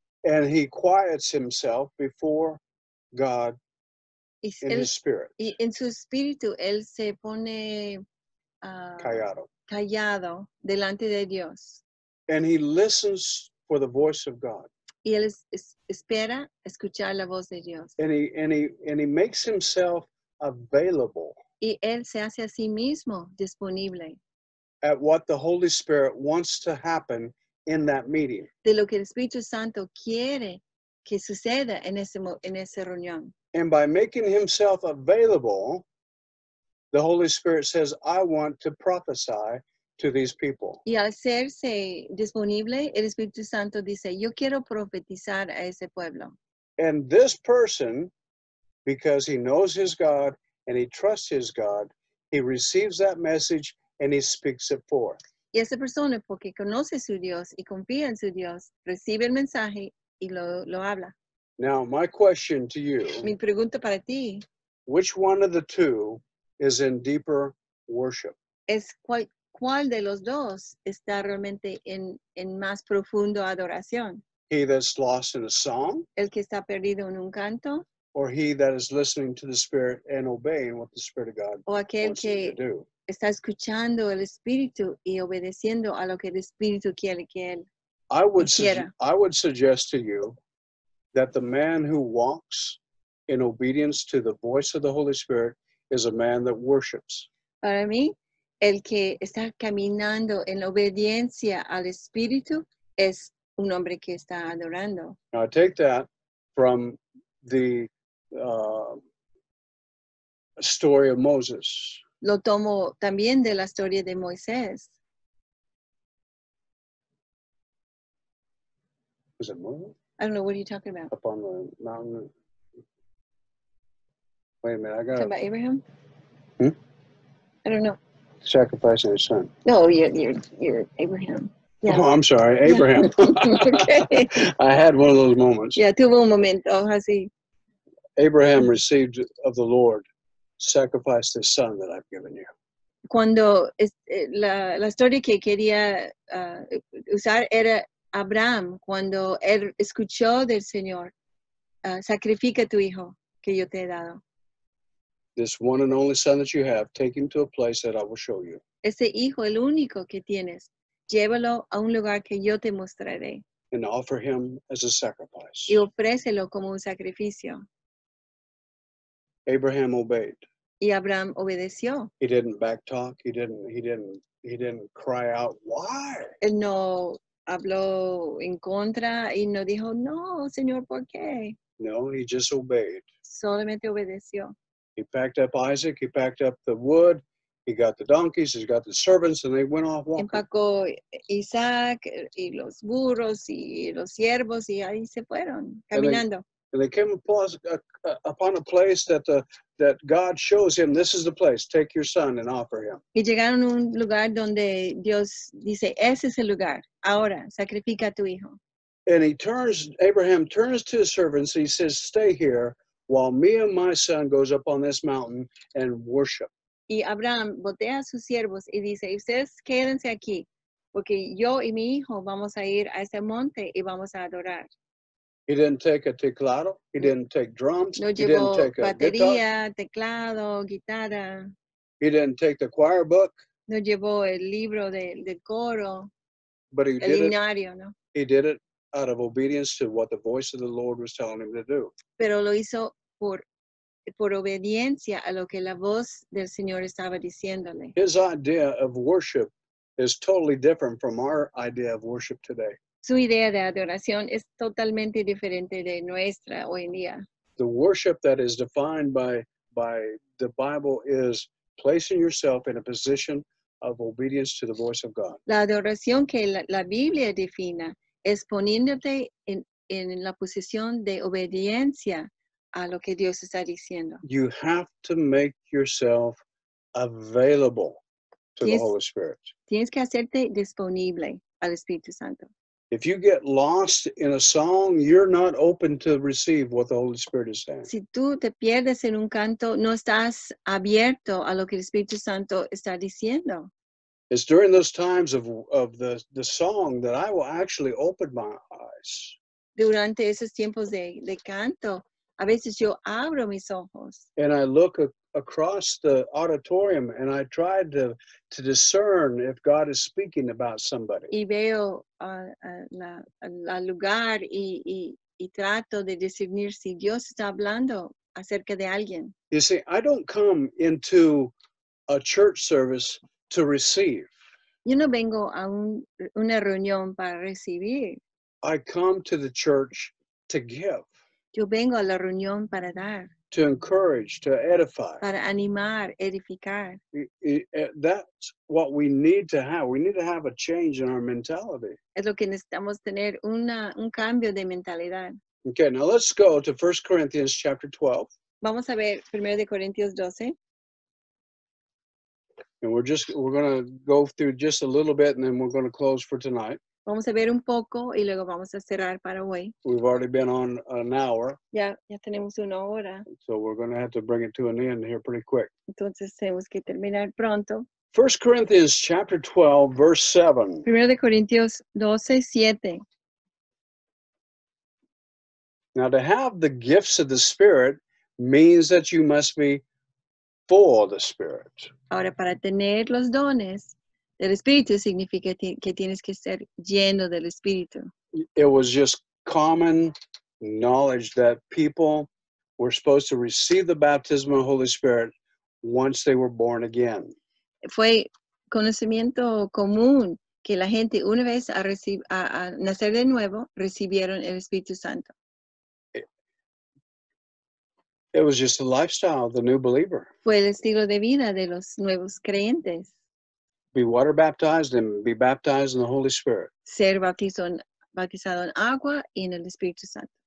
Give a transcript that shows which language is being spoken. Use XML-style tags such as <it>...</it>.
<en>And he quiets himself before God in his spirit.</en> <es>Y en su espíritu, él se pone callado delante de Dios.</es> <en>And he listens for the voice of God.</en> <es>Y él espera escuchar la voz de Dios.</es> <en>And he makes himself available.</en> <es>Y él se hace a sí mismo disponible.</es> <en>At what the Holy Spirit wants to happen in that meeting.</en> <es>De lo que el Espíritu Santo quiere que suceda en esa reunión.</es> <en>And by making himself available, the Holy Spirit says, I want to prophesy to these people.</en> <es>Y al hacerse disponible, el Espíritu Santo dice, yo quiero profetizar a ese pueblo.</es> <en>And this person, because he knows his God and he trusts his God, he receives that message and he speaks it forth.</en> <es>Y esa persona, porque conoce su Dios y confía en su Dios, recibe el mensaje y lo habla.</es> <en>Now, my question to you,</en> <es>mi pregunta para ti,</es> <en>which one of the two is in deeper worship?</en> <es>Es ¿Cuál de los dos está realmente en más profundo adoración?</es> <en>He that's lost in a song.</en> <es>El que está perdido en un canto.</es> <en>Or he that is listening to the Spirit and obeying what the Spirit of God wants him to do.</en> <es>Está escuchando el Espíritu y obedeciendo a lo que el Espíritu quiere que él quiera.</es> <en>I would suggest to you that the man who walks in obedience to the voice of the Holy Spirit is a man that worships.</en> <es>Para mí, el que está caminando en obediencia al Espíritu es un hombre que está adorando.</es> <en>Now I take that from the story of Moses.</en> <es>Lo tomo también de la historia de Moisés.</es> <en>Was it Moses? I don't know, what are you talking about? Up on the mountain. Wait a minute, I got talking about Abraham? Hmm? I don't know. Sacrificing his son. No, you're Abraham. Yeah. Oh, I'm sorry, Abraham. Okay. I had one of those moments.</en> <es>Yeah, tuvo un momento así.</es> <en>Abraham received of the Lord, sacrifice this son that I've given you.</en> <es>Cuando la historia que quería usar era Abraham, cuando él escuchó del Señor, sacrifica tu hijo que yo te he dado.</es> <en>This one and only son that you have, take him to a place that I will show you.</en> <es>Ese hijo, el único que tienes, llévalo a un lugar que yo te mostraré.</es> <en>And offer him as a sacrifice.</en> <es>Y ofrécelo como un sacrificio.</es> <en>Abraham obeyed.</en> <es>Y Abraham obedeció.</es> <en>He didn't backtalk. He didn't cry out, why?</en> <es>Él no habló en contra y no dijo, no, Señor, ¿por qué?</es> <en>No, he just obeyed.</en> <es>Solamente obedeció.</es> <en>He packed up Isaac. He packed up the wood. He got the donkeys. He got the servants, and they went off walking.</en> <es>Empacó Isaac y los burros y los siervos y ahí se fueron caminando.</es> <en>And they came upon a place that God shows him, this is the place, take your son and offer him.</en> <es>Y llegaron a un lugar donde Dios dice, ese es el lugar, ahora, sacrifica a tu hijo.</es> <en>And Abraham turns to his servants, he says, stay here while me and my son goes up on this mountain and worship.</en> <es>Y Abraham voltea a sus siervos y dice, ustedes quédense aquí, porque yo y mi hijo vamos a ir a ese monte y vamos a adorar.</es> <en>He didn't take a teclado. He didn't take drums.</en> <es>No,</es> <en>he didn't take</en> <es>batería,</es> <en>a guitar.</en> <es>Teclado, guitarra.</es> <en>He didn't take the choir book.</en> <es>No llevó el libro del coro.</es> <en>But he</en> <es>el</es> <en>did</en> <es>himnario,</es> <en>it.</en> <es>No?</es> <en>He did it out of obedience to what the voice of the Lord was telling him to do.</en> <es>Pero lo hizo por obediencia a lo que la voz del Señor estaba diciéndole.</es> <en>His idea of worship is totally different from our idea of worship today.</en> <es>Su idea de adoración es totalmente diferente de nuestra hoy en día.</es> <en>The worship that is defined by the Bible is placing yourself in a position of obedience to the voice of God.</en> <es>La adoración que la Biblia defina es poniéndote en la posición de obediencia a lo que Dios está diciendo.</es> <en>You have to make yourself available to the Holy Spirit.</en> <es>Tienes que hacerte disponible al Espíritu Santo.</es> <en>If you get lost in a song, you're not open to receive what the Holy Spirit is saying.</en> <es>Si tú te pierdes en un canto, no estás abierto a lo que el Espíritu Santo está diciendo.</es> <en>It's during those times of the song that I will actually open my eyes.</en> <es>Durante esos tiempos de canto, a veces yo abro mis ojos.</es> <en>And I look across the auditorium and I try to discern if God is speaking about somebody.</en> <es>Y veo la lugar y trato de discernir si Dios está hablando acerca de alguien.</es> <en>You see, I don't come into a church service to receive.</en> <es>Yo no vengo a una reunión para recibir.</es> <en>I come to the church to give.</en> <es>Yo vengo a la reunión para dar.</es> <en>To encourage, to edify.</en> <es>Para animar, edificar.</es> <en>That's what we need to have. We need to have a change in our mentality.</en> <es>Es lo que necesitamos tener, un cambio de mentalidad.</es> <en>Okay, now let's go to 1 Corinthians chapter 12.</en> <es>Vamos a ver 1 de Corintios 12.</es> <en>And we're going to go through just a little bit and then we're going to close for tonight.</en> <es>Vamos a ver un poco y luego vamos a cerrar para hoy.</es> <en>We've already been on an hour.</en> <es>Ya tenemos una hora.</es> <en>So we're going to have to bring it to an end here pretty quick.</en> <es>Entonces tenemos que terminar pronto.</es> <en>1 Corinthians chapter 12, verse 7.</en> <es>1 de Corintios 12, 7.</es> <en>Now to have the gifts of the Spirit means that you must be full of the Spirit.</en> <es>Ahora para tener los dones del Espíritu significa que tienes que ser lleno del Espíritu.</es> <en>It was just common knowledge that people were supposed to receive the baptism of the Holy Spirit once they were born again.</en> <es>Fue conocimiento común que la gente una vez a nacer de nuevo recibieron el Espíritu Santo.</es> <en>It was just the lifestyle of the new believer.</en> <es>Fue el estilo de vida de los nuevos creyentes.</es> <en>Be water baptized and be baptized in the Holy Spirit.</en> <es>Ser bautizado en agua y en el Espíritu Santo.</es>